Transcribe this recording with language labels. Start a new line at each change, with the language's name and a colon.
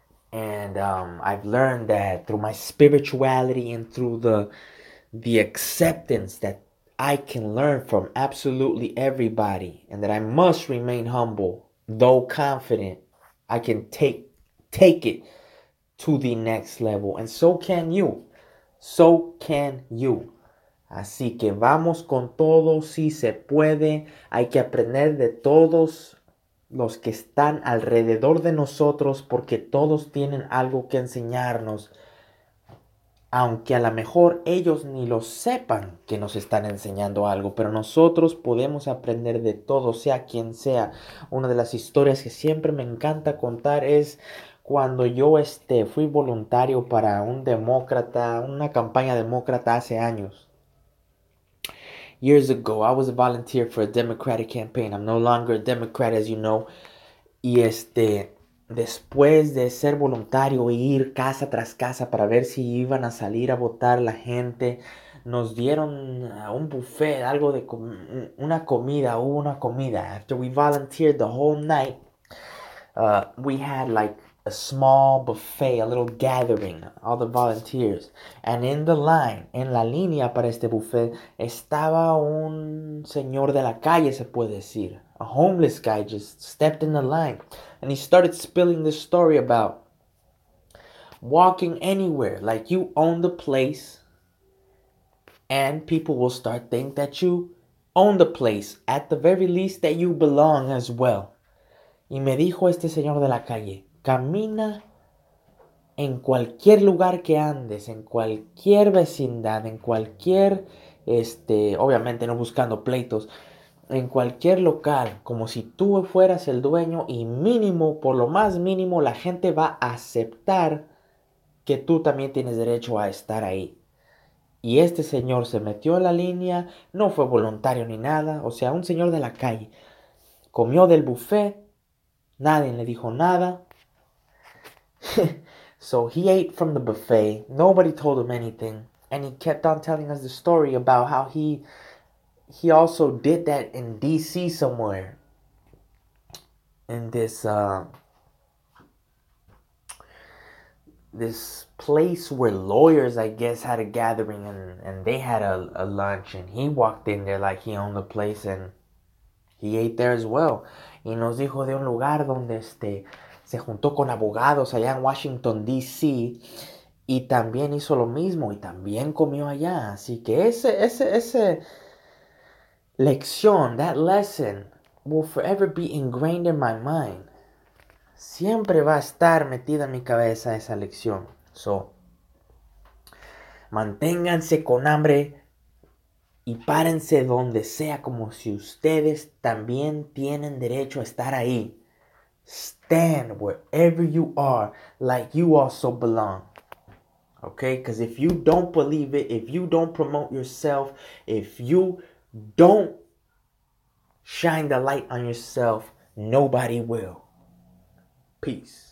English: And I've learned that through my spirituality and through the acceptance that I can learn from absolutely everybody, and that I must remain humble, though confident. I can take it to the next level, and so can you. So can you.
Spanish: Así que vamos con todo, si se puede. Hay que aprender de todos los que están alrededor de nosotros, porque todos tienen algo que enseñarnos. Aunque a lo mejor ellos ni lo sepan que nos están enseñando algo, pero nosotros podemos aprender de todo, sea quien sea. Una de las historias que siempre me encanta contar es cuando yo fui voluntario para un demócrata, una campaña demócrata hace años.
English: Years ago, I was a volunteer for a Democratic campaign. I'm no longer a Democrat, as you know.
Spanish: Y después de ser voluntario e ir casa tras casa para ver si iban a salir a votar la gente, nos dieron un buffet, algo de una comida.
English: After we volunteered the whole night, we had like a small buffet, a little gathering, all the volunteers. And in the line,
Spanish: en la línea para este buffet, estaba un señor de la calle, se puede decir.
English: A homeless guy just stepped in the line. And he started spilling this story about walking anywhere. Like, you own the place, and people will start think that you own the place. At the very least, that you belong as well.
Spanish: Y me dijo este señor de la calle, camina en cualquier lugar que andes, en cualquier vecindad, en cualquier, obviamente no buscando pleitos, en cualquier local, como si tú fueras el dueño, y mínimo, por lo más mínimo, la gente va a aceptar que tú también tienes derecho a estar ahí. Y este señor se metió a la línea, no fue voluntario ni nada, o sea, un señor de la calle. Comió del buffet, nadie le dijo nada.
English: So he ate from the buffet, nobody told him anything, and he kept on telling us the story about how he also did that in D.C. somewhere, in this place where lawyers, I guess, had a gathering, and they had a lunch, and he walked in there like he owned the place, and he ate there as well.
Spanish: Y nos dijo de un lugar donde se juntó con abogados allá en Washington, D.C., y también hizo lo mismo, y también comió allá. Así que ese lección,
English: that lesson, will forever be ingrained in my mind.
Spanish: Siempre va a estar metida en mi cabeza esa lección. So, manténganse con hambre y párense donde sea, como si ustedes también tienen derecho a estar ahí.
English: Stand wherever you are, like you also belong. Okay? Because if you don't believe it, if you don't promote yourself, if you don't shine the light on yourself, nobody will. Peace.